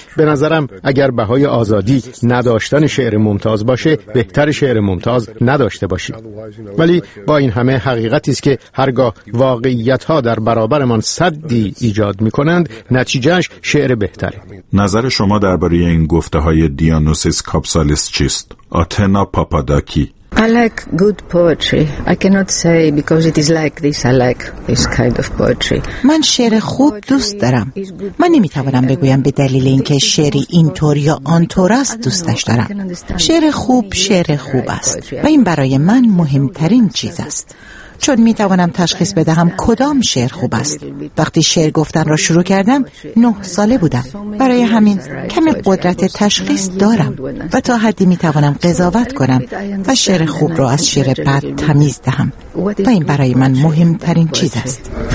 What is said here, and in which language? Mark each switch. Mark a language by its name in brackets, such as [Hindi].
[Persian] به نظرم اگر بهای آزادی نداشتن شعر ممتاز باشه، بهتر شعر ممتاز نداشته باشیم. ولی با این همه حقیقتی است که هرگاه واقعیت‌ها در برابرمان سدی ایجاد می‌کنند، نتیجه شعر بهتره. نظر شما درباره این گفته های دیانوسیس کاپسالیس چیست؟ آتنا پاپاداکی: [English] I like good poetry. I cannot say because it is like this. I like this kind of poetry. [Persian] من شعر خوب دوست دارم. من نمیتوانم بگویم به دلیل اینکه شعری اینطور یا آنطور است دوستش دارم. شعر خوب شعر خوب است و این برای من مهمترین چیز است، چون می توانم تشخیص بدهم کدام شعر خوب است. وقتی شعر گفتن را شروع کردم 9 ساله بودم، برای همین کمی قدرت تشخیص دارم و تا حدی می توانم قضاوت کنم و شعر خوب را از شعر بد تمیز دهم و این برای من مهمترین چیز است.